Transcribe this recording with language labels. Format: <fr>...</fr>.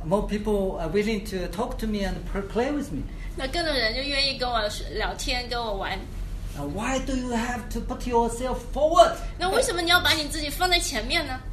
<en>More people are willing to talk to me and play with me.</en> <zh>那更多人就愿意跟我聊天，跟我玩。</zh> <en>Now, why do you have to put yourself forward?</en> <zh>那为什么你要把你自己放在前面呢？</zh>